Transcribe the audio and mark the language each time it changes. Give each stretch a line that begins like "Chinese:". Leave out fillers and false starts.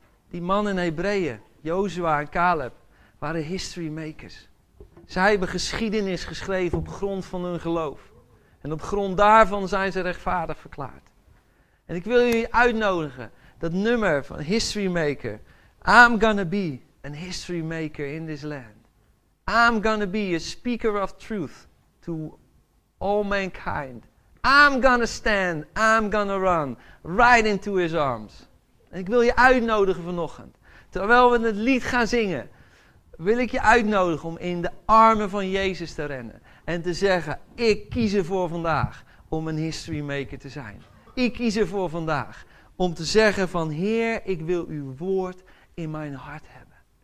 Dutch: Die mannen in Hebreeën, Jozua en Caleb, waren history makers. Zij hebben geschiedenis geschreven op grond van hun geloof. En op grond daarvan zijn ze rechtvaardig verklaard. En ik wil jullie uitnodigen, dat nummer van History Maker.
English: I'm gonna be a history maker in this land. I'm gonna be a speaker of truth to all mankind. I'm gonna stand, I'm gonna run, right into his arms.
Dutch: En ik wil je uitnodigen vanochtend. Terwijl we het lied gaan zingen, wil ik je uitnodigen om in de armen van Jezus te rennen. En te zeggen, ik kies ervoor vandaag om een history maker te zijn. Ik kies ervoor vandaag om te zeggen van, Heer, ik wil uw woord in mijn hart hebben.